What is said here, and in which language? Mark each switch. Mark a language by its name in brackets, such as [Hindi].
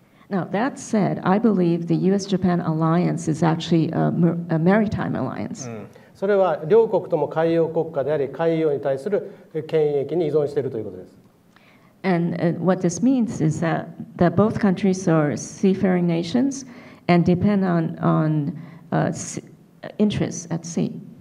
[English] Now, that said, I believe the U.S.-Japan alliance is actually a maritime alliance. [Japanese] それは両国とも海洋国家であり、海洋に対する権益に依存しているということです。 [English] And what this means is that both countries are seafaring nations and depend on interests at sea.